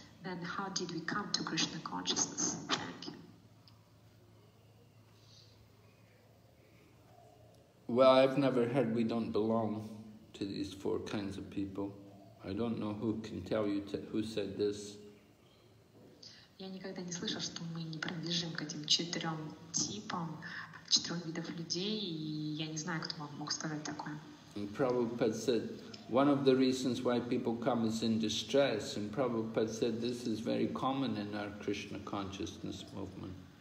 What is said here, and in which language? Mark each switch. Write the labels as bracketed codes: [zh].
[en] Then how did we come to Krishna consciousness? Thank you. Well, I've never heard we don't belong to these four kinds of people. I don't know who can tell you who said this. [ru] Я никогда не слышал, что мы не принадлежим к этим четырем типам, четырем видов людей, и я не знаю, кто вам мог сказать такое. [en] And Prabhupada said, one of the reasons why people come is in distress, and Prabhupada said this is very common in our Krishna consciousness movement.